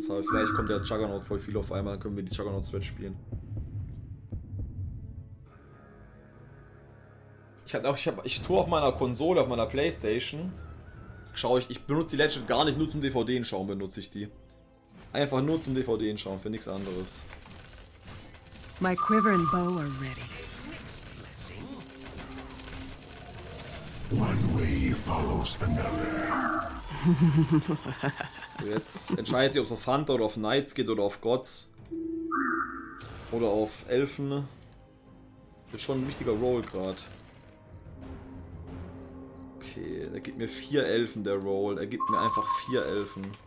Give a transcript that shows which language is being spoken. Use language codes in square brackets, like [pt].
[de] Vielleicht kommt der Juggernaut voll viel auf einmal, dann können wir die Juggernaut-Switch spielen. Ich tue auf meiner Konsole, auf meiner PlayStation. Ich benutze die Legend gar nicht, nur zum DVD schauen benutze ich die. Einfach nur zum DVD schauen, für nichts anderes. [en] My quiver and bow are ready. One way follows another. [de] So, jetzt entscheidet sich, ob es auf Hunter oder auf Knights geht oder auf Gods. Oder auf Elfen. Wird schon ein wichtiger Roll gerade. Okay, er gibt mir 4 Elfen, der Roll. Er gibt mir einfach 4 Elfen.